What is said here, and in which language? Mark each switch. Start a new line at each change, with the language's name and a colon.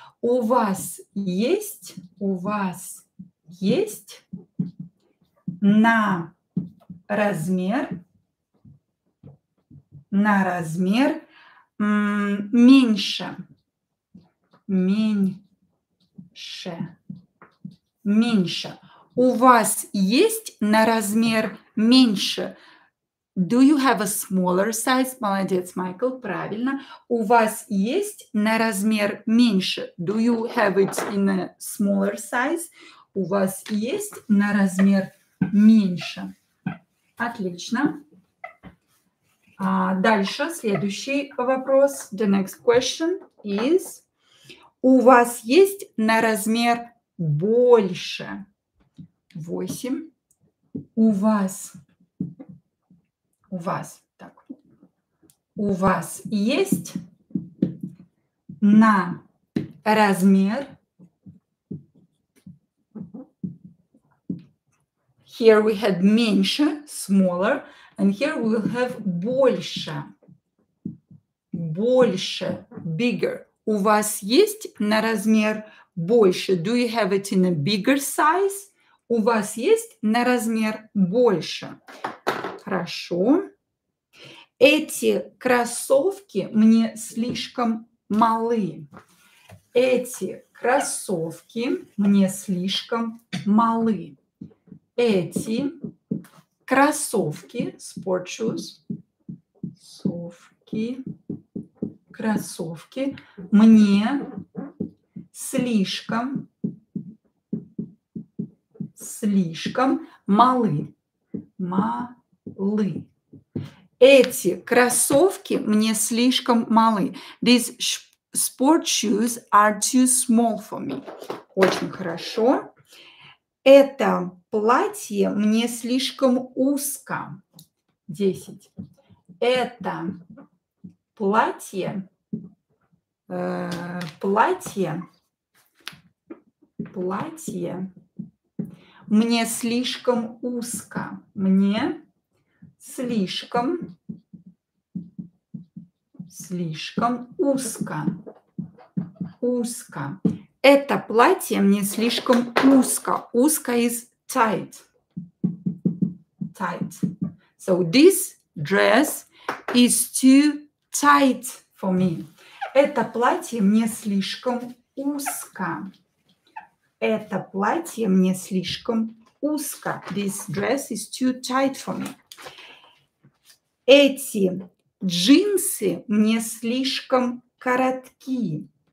Russian: У вас есть, у вас есть на размер меньше, меньше, меньше. У вас есть на размер меньше.
English: Do you have a smaller size?
Russian: Молодец, Майкл, правильно. У вас есть на размер меньше.
English: Do you have it in a smaller size?
Russian: У вас есть на размер меньше. Отлично. Дальше, следующий вопрос.
English: The next question is...
Russian: У вас есть на размер больше? 8. У вас... У вас, так, у вас есть на размер.
English: Here we had меньше, smaller, and here we will have больше, больше, bigger.
Russian: У вас есть на размер больше.
English: Do you have it in a bigger size?
Russian: У вас есть на размер больше. Хорошо. Эти кроссовки мне слишком малы. Эти кроссовки мне слишком малы. Эти кроссовки,
English: sport shoes,
Russian: кроссовки, кроссовки мне слишком, слишком малы. Малы. Эти кроссовки мне слишком малы.
English: These sport shoes are too small for me.
Russian: Очень хорошо. Это платье мне слишком узко. 10. Это платье, платье, платье мне слишком узко. Мне слишком, слишком узко, узко. Это платье мне слишком узко.
English: Узко is tight, tight. So this dress is too tight For me.
Russian: Это платье мне слишком узко. Это платье мне слишком узко.
English: This dress is too tight for me.
Russian: Эти джинсы мне слишком коротки.